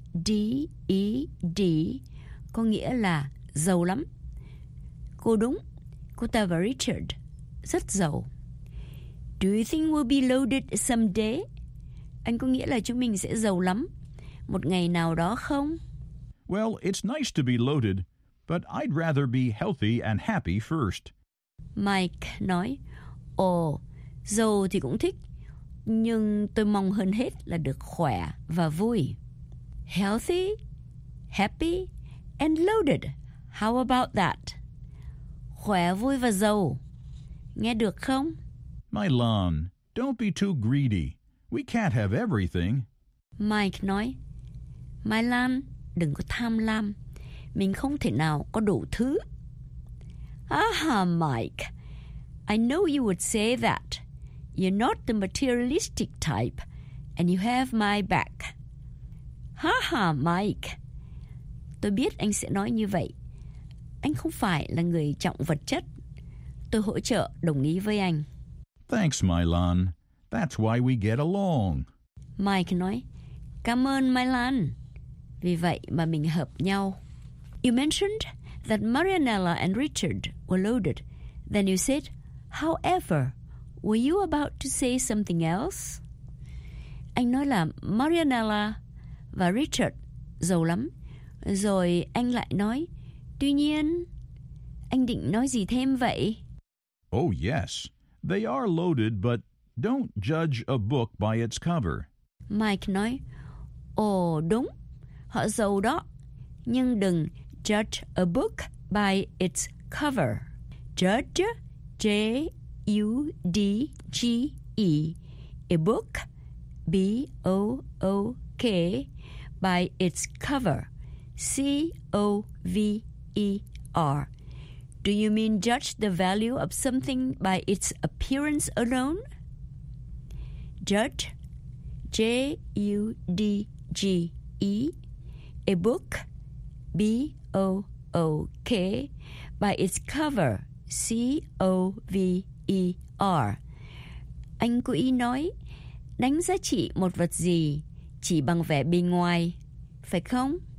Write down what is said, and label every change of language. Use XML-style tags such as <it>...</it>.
<vi>L-O-A-D-E-D có nghĩa là giàu lắm. Cô đúng, cô ta và Richard rất giàu.</vi> <en>Do you think we'll be loaded someday?</en> <vi>Anh có nghĩa là chúng mình sẽ giàu lắm một ngày nào đó không?</vi> <en>Well, it's nice to be loaded, but I'd rather be healthy and happy first.</en> <vi>Mike nói, ồ, giàu thì cũng thích, nhưng tôi mong hơn hết là được khỏe và vui.</vi> <en>Healthy, happy, and loaded. How about that?</en> <vi>Khỏe, vui và giàu. Nghe được không?</vi> <en>My Lan, don't be too greedy. We can't have everything.</en> <vi>Mike nói, My Lan, đừng có tham lam. Mình không thể nào có đủ thứ.</vi> <en>Aha, Mike. I know you would say that. You're not the materialistic type, and you have my back. Haha, Mike.</en> <vi>Tôi biết anh sẽ nói như vậy. Anh không phải là người trọng vật chất. Tôi hỗ trợ, đồng ý với anh.</vi> <en>Thanks, Mylan. That's why we get along.</en> <vi>Mike nói, cảm ơn, Mylan. Vì vậy mà mình hợp nhau.</vi> <en>You mentioned that Marianella and Richard were loaded. Then you said, however, were you about to say something else?</en> <vi>Anh nói là Marianella và Richard giàu lắm. Rồi anh lại nói, tuy nhiên, anh định nói gì thêm vậy?</vi> <en>Oh, yes. They are loaded, but don't judge a book by its cover.</en> <vi>Mike nói, ồ, đúng, họ giàu đó. Nhưng đừng</vi> <en>judge a book by its cover. Judge, J-U-D-G-E, a book, B-O-O-K, by its cover, C-O-V-E-R. Do you mean judge the value of something by its appearance alone? Judge, J-U-D-G-E, a book, B-O-O-K, by its cover, C-O-V-E-R.</en> <vi>Anh cố ý nói, đánh giá trị một vật gì chỉ bằng vẻ bề ngoài, phải không?</vi>